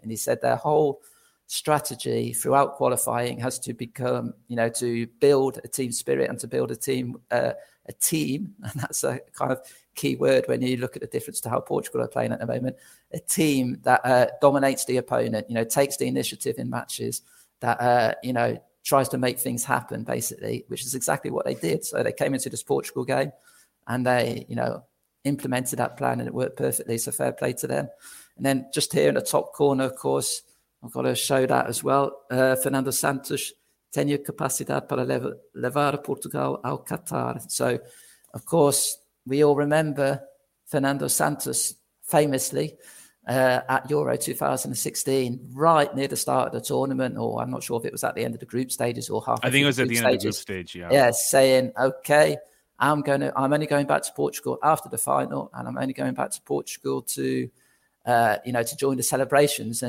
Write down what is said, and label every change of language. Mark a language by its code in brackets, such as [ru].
[en] And he said their whole strategy throughout qualifying has to become, to build a team spirit and to build a team, and that's a kind of key word when you look at the difference to how Portugal are playing at the moment, a team that dominates the opponent, takes the initiative in matches, that, tries to make things happen, basically, which is exactly what they did. So they came into this Portugal game and they, implemented that plan and it worked perfectly. So fair play to them. And then just here in the top corner, of course, I've got to show that as well. [pt] Fernando Santos tenha capacidade para levar Portugal ao Qatar. [en] So, of course, we all remember Fernando Santos famously at Euro 2016, right near the start of the tournament, or I'm not sure if it was at the end of the group stages or half. I think it was at the end of the group stage, yeah. Yeah, saying, okay, I'm only going back to Portugal after the final, and I'm only going back to Portugal to, to join the celebrations.